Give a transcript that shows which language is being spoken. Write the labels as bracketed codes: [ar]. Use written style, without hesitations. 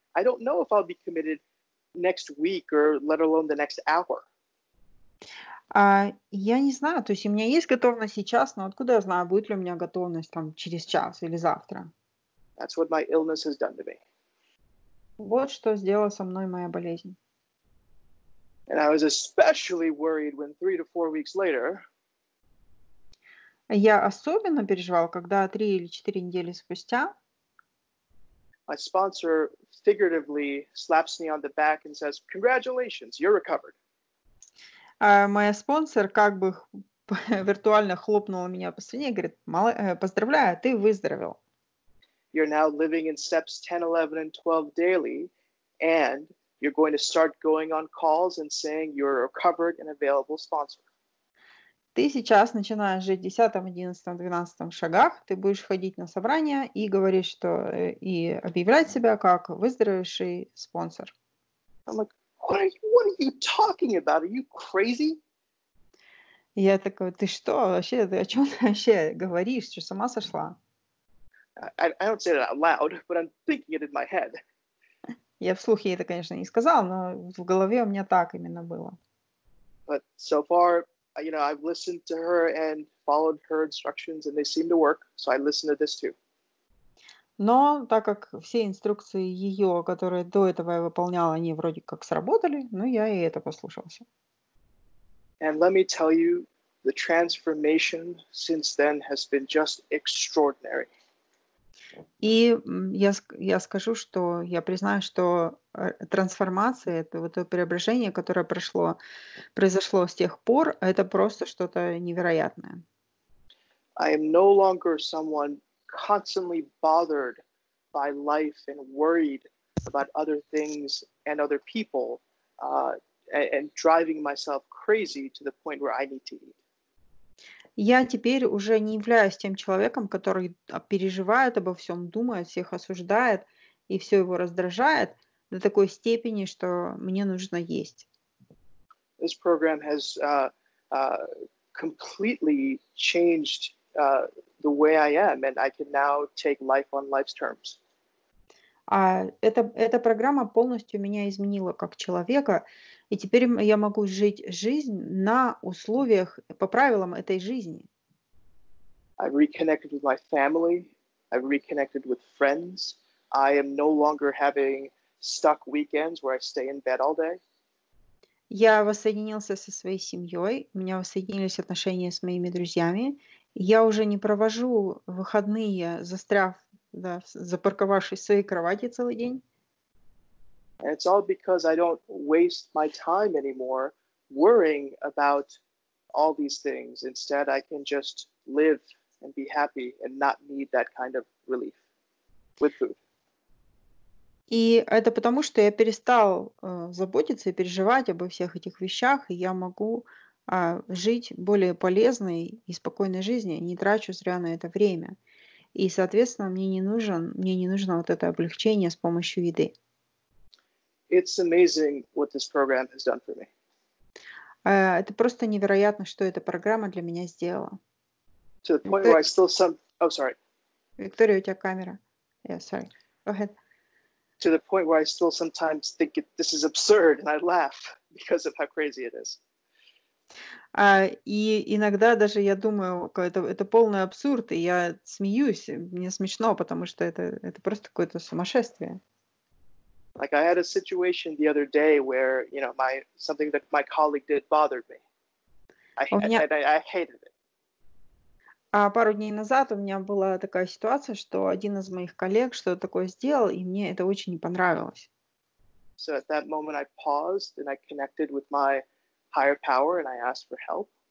[en] I don't know if I'll be committed next week or let alone the next hour. [ru] Я не знаю, то есть у меня есть готовность сейчас, но откуда я знаю, будет ли у меня готовность там через час или завтра? [en] That's what my illness has done to me. [ru] Вот что сделала со мной моя болезнь. [en] And I was especially worried when 3 to 4 weeks later. [ru] Я особенно переживала, когда 3 или 4 недели спустя. [en] My sponsor figuratively slaps me on the back and says, "Congratulations, you're recovered." [ru] Моя спонсор как бы виртуально хлопнула меня по спине и говорит, поздравляю, ты выздоровел. [en] You're now living in steps 10, 11, and 12 daily, and you're going to start going on calls and saying you're a covered and available sponsor. [ru] Ты сейчас начинаешь жить 10, 11, 12 шагах, ты будешь ходить на собрания и говорить, что и объявлять себя как выздоровевший спонсор. [en] What are you talking about? Are you crazy? [ru] Я такой, ты что вообще, ты о чем ты вообще говоришь, что сама сошла? [en] I don't say that out loud, but I'm thinking it in my head. [ru] Я вслух ей это, конечно, не сказал, но в голове у меня так именно было. [en] But so far, you know, I've listened to her and followed her instructions, and they seem to work, so I listen to this too. [ru] Но так как все инструкции ее, которые до этого я выполняла, они вроде как сработали, ну, я и это послушался. [en] And let me tell you, the transformation since then has been just extraordinary. [ru] И я скажу, что я признаю, что трансформация, это вот то преображение, которое произошло с тех пор, это просто что-то невероятное. [en] I am no longer someone constantly bothered by life and worried about other things and other people and driving myself crazy to the point where I need to eat. [ru] Я теперь уже не являюсь тем человеком, который переживает обо всем, думает, всех осуждает и все его раздражает до такой степени, что мне нужно есть. [en] This program has completely changed the way I am, and I can now take life on life's terms. [ru] Эта программа полностью меня изменила как человека, и теперь я могу жить жизнь на условиях, по правилам этой жизни. [en] I've reconnected with my family, I've reconnected with friends, I am no longer having stuck weekends where I stay in bed all day. [ru] Я воссоединился со своей семьей, у меня воссоединились отношения с моими друзьями. Я уже не провожу выходные, застряв, да, запарковавшись в своей кровати целый день. [en] It's all because I don't waste my time anymore worrying about all these things. Instead, I can just live and be happy and not need that kind of relief with food. [ru] И это потому, что я перестал заботиться и переживать обо всех этих вещах, и я могу жить более полезной и спокойной жизнью, не трачу зря на это время. И, соответственно, мне не нужно вот это облегчение с помощью еды. [en] It's amazing what this program has done for me. [ru] Это просто невероятно, что эта программа для меня сделала. [en] To the point where I still some... Oh, sorry. [ru] Виктория, у тебя камера. [en] Yeah, sorry. Go ahead. To the point where I still sometimes think this is absurd and I laugh because of how crazy it is. [ru] И иногда даже я думаю, это полный абсурд, и я смеюсь, мне смешно, потому что это просто какое-то сумасшествие. [en] Like I had a situation the other day where, you know, my something that my colleague did bothered me. I hated it. [ru] Пару дней назад у меня была такая ситуация, что один из моих коллег что-то такое сделал, и мне это очень не понравилось. [en] So at that moment I paused and I connected with my higher power and I asked for help.